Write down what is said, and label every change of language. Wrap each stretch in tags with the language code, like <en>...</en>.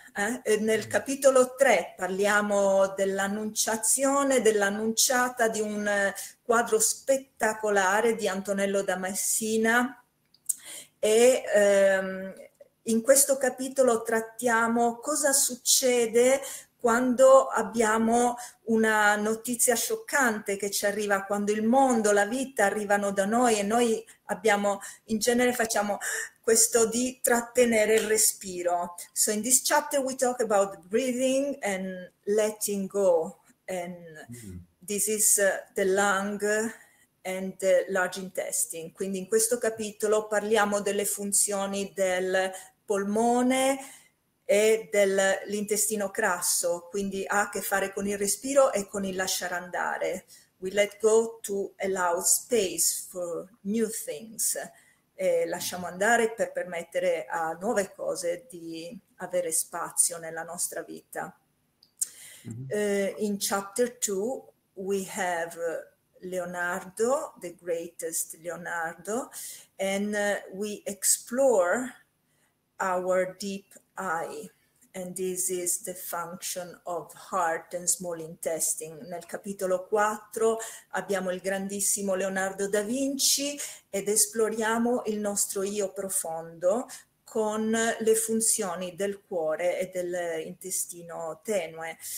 <it>Nel capitolo 3 parliamo dell'annunciazione, dell'annunciata di un quadro spettacolare di Antonello da Messina e in questo capitolo trattiamo cosa succede quando abbiamo una notizia scioccante che ci arriva, quando il mondo, la vita arrivano da noi e noi abbiamo, in genere facciamo questo di trattenere il respiro.</it> <en>So in this chapter we talk about breathing and letting go. And this is the lung and the large intestine.</en> <it>Quindi in questo capitolo parliamo delle funzioni del polmone e dell'intestino crasso, quindi ha a che fare con il respiro e con il lasciare andare.</it> <en>We let go to allow space for new things.</en> <it>E lasciamo andare per permettere a nuove cose di avere spazio nella nostra vita.</it> <en>In chapter 2 we have Leonardo, the greatest Leonardo, and we explore our deep eye. and this is the function of heart and small intestine.</en> <it>Nel capitolo 4 abbiamo il grandissimo Leonardo da Vinci ed esploriamo il nostro io profondo con le funzioni del cuore e dell'intestino tenue.</it>